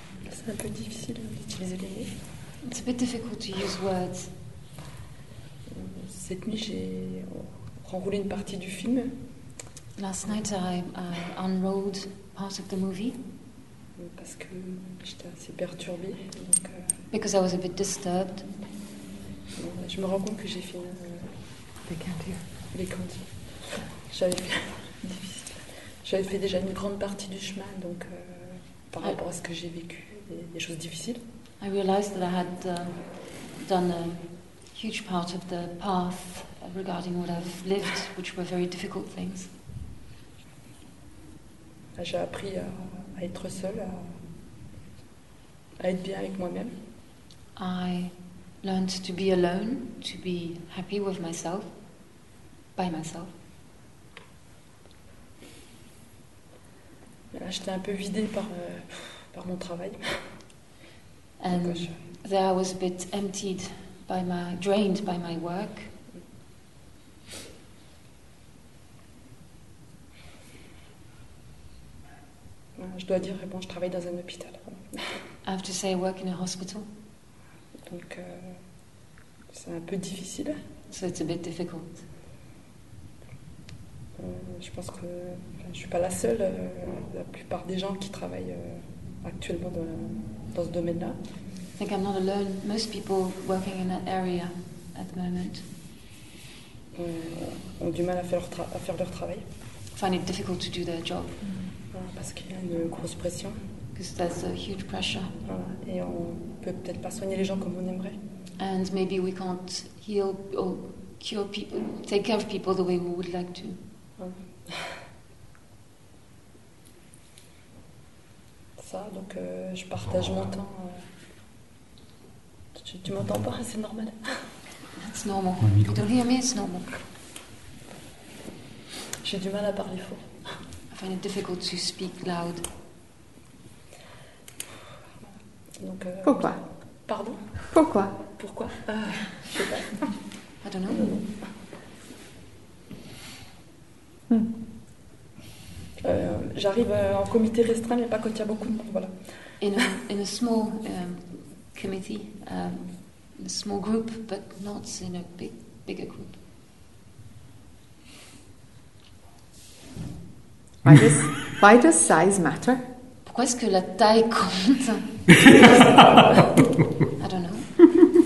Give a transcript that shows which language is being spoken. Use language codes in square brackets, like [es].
[fr] C'est un peu difficile d'utiliser les mots. [en] It's a bit difficult to use words. [fr] Cette nuit, j'ai enroulé une partie du film. [en] Last night, I unrolled part of the movie. [fr] Parce que j'étais assez perturbée. Donc, [en] because I was a bit disturbed. [fr] Je me rends compte que j'ai fait les candies. Les candies. J'avais fait déjà une grande partie du chemin, donc par rapport à ce que j'ai vécu. Des choses difficiles. [en] I realized that I had done a huge part of the path regarding what I've lived, which were very difficult things. [fr] J'ai appris à être seule, à être bien avec moi-même. [en] I learned to be alone, to be happy with myself, by myself. [fr] Là, j'étais un peu vidée par mon travail. [en] And there I was a bit emptied by my, drained by my work. [fr] Je dois dire, bon, je travaille dans un hôpital. [en] I have to say I work in a hospital. [fr] Donc, c'est un peu difficile. [en] So it's a bit difficult. [fr] Je pense que je suis pas la seule. La plupart des gens qui travaillent actuellement dans ce domaine-là. [en] I think I'm not alone. Most people working in that area at the moment [fr] ont du mal à faire leur travail. [en] Find it difficult to do their job. [fr] Parce qu'il y a une grosse pression. [en] Because there's a huge pressure. [fr] Et on peut peut-être pas soigner les gens comme on aimerait. [en] And maybe we can't heal or cure people, take care of people the way we would like to. [fr] Ça, donc je partage mon temps. Tu m'entends pas, c'est normal. [en] It's normal. You don't hear me, it's normal. [fr] J'ai du mal à parler fort. [en] I find it difficult to speak loud. [fr] Donc, pourquoi? Pardon? Pourquoi? Pourquoi? Je sais pas. [en] I don't know. [fr] J'arrive en comité restreint, mais pas quand il y a beaucoup de monde, voilà. [en] In a small committee, in a small group, but not in a bigger group. Why does size matter? [fr] Pourquoi est-ce que la taille compte? [en] I don't know.